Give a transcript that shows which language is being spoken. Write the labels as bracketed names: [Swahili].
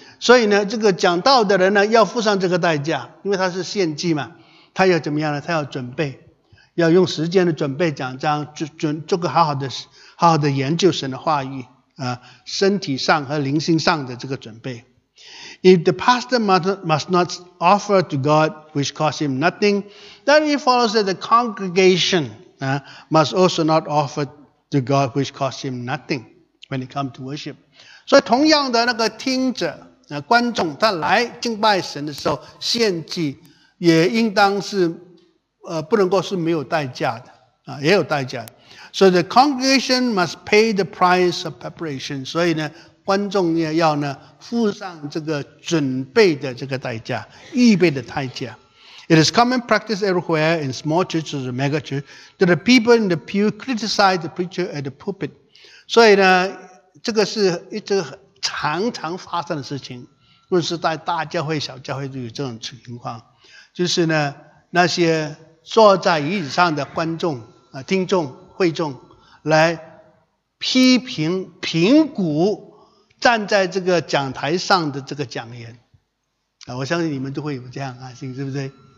[Chinese] 所以呢，这个讲道的人呢，要付上这个代价，因为他是献祭嘛，他要怎么样呢？他要准备，要用时间的准备讲章，做个好好的研究神的话语，身体上和灵性上的这个准备。 [English] If the pastor must not offer to God, which costs him nothing, then it follows that the congregation. Must also not offer to God which costs him nothing when he comes to worship. [Chinese] 所以同样的那个听者，观众他来敬拜神的时候，献祭，也应当是不能够是没有代价的啊，也有代价的。 [English] So the congregation must pay the price of preparation. [Chinese] 所以呢，观众要呢付上这个准备的这个代价，预备的代价。 [English] It is common practice everywhere in small churches and mega churches that the people in the pew criticize the preacher at the pulpit. [Chinese] 所以呢，这个是一直常常发生的事情，不是在大教会、小教会都有这种情况，就是呢，那些坐在椅子上的观众啊、听众、会众来批评、评估站在这个讲台上的这个讲员啊，我相信你们都会有这样啊，是不是？